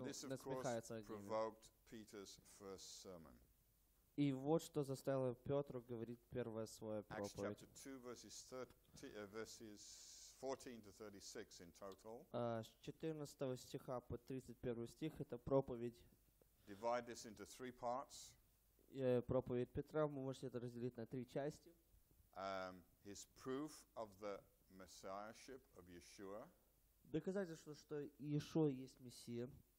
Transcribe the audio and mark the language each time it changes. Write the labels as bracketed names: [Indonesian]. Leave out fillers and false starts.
[English] And this, of course, provoked Peter's first sermon. [Russian] И вот что заставило Петру говорить первое свое проповедь. [English] Acts chapter 2, verses 30, verses 14 to 36 in total. [Russian] С 14 стиха по 31 стих это проповедь. [English] Divide this into three parts. [Russian] Проповедь Петра, вы можете это разделить на три части. [English] His proof of the messiahship of Yeshua. [Russian] Доказательство, что Иешуа есть Мессия.